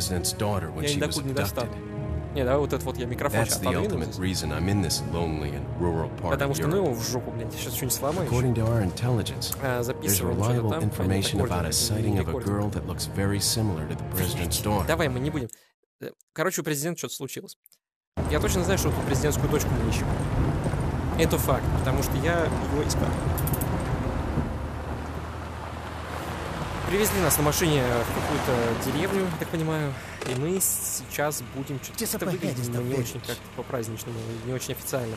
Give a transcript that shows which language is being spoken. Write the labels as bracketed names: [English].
[Russian] Я ни до куда не достану. Не, давай вот этот вот я микрофон сейчас подвину. Потому что, ну его в жопу, блядь, я сейчас что-нибудь сломаю. [English] According to our intelligence, there's reliable information about a sighting of a girl that looks very similar to the president's daughter. [Russian] Давай, мы не будем. Короче, у президента что-то случилось. Я точно знаю, что эту президентскую дочку мы ищем. Это факт, потому что я его искал. Привезли нас на машине в какую-то деревню, так понимаю. И мы сейчас будем что-то выглядеть, но не очень как по-праздничному, не очень официально.